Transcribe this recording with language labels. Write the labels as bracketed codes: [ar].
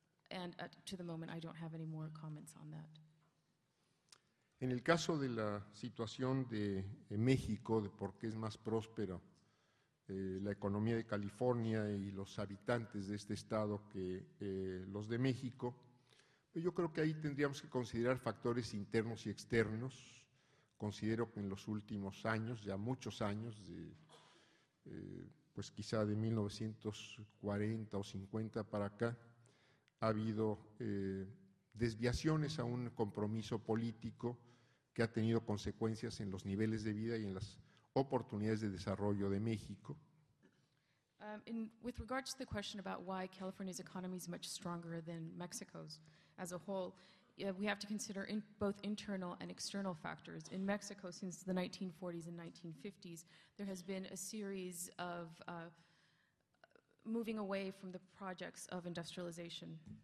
[en] And to the moment, I don't have any more comments on that. [es] En el caso de la situación de México, de por qué es más próspero la economía de California y los habitantes de este estado que los de México, yo creo que ahí tendríamos que considerar factores internos y externos. Considero que en los últimos años, ya muchos años, pues quizá de 1940 o 50 para acá, ha habido desviaciones a un compromiso político que ha tenido consecuencias en los niveles de vida y en las oportunidades de desarrollo de México. [en] With regards to the question about why California's economy is much stronger than Mexico's as a whole, we have to consider both internal and external factors. In Mexico, since the 1940s and 1950s, there has been a series of moving away from the projects of industrialization.